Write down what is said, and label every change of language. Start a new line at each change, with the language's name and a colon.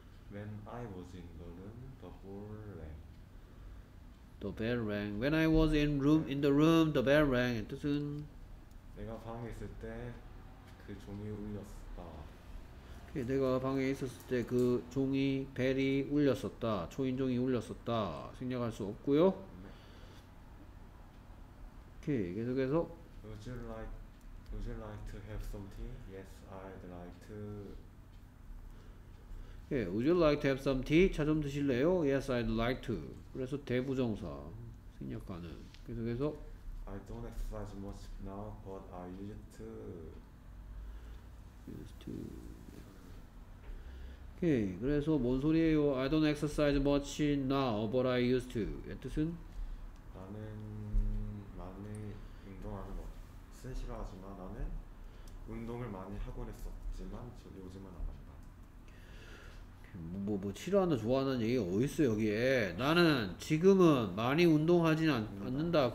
English: When I was in the room, the bell rang. The bell rang. When I was in room, in the room, the bell rang.
Korean: 뜻은 내가 방에 있을 때 그 종이 울렸다. 오케이. 내가 방에 있었을 때 그 종이 벨이 울렸었다. 초인종이 울렸었다. 생략할 수 없고요. 오케이. 계속해서
English: Would you like to have some tea? Yes, I'd like to. 오케이. Would you like to have some tea?
Korean: 차 좀 드실래요?
English: Yes, I'd like to.
Korean: 그래서 대부정사 생략 가능. 계속해서
English: I don't exercise much now, but I used to.
Korean: 오케이. 그래서 뭔 소리예요?
English: I don't exercise much now, but I used to.
Korean: 이 뜻은? 나는 많이 운동하는 것 쓴 싫어하지만 나는 운동을 많이 하곤 했었지만 요즘은 안 한다. 뭐 싫어한다 좋아하는 얘기 어딨어 여기에. 나는 지금은 많이 운동하진 않는다.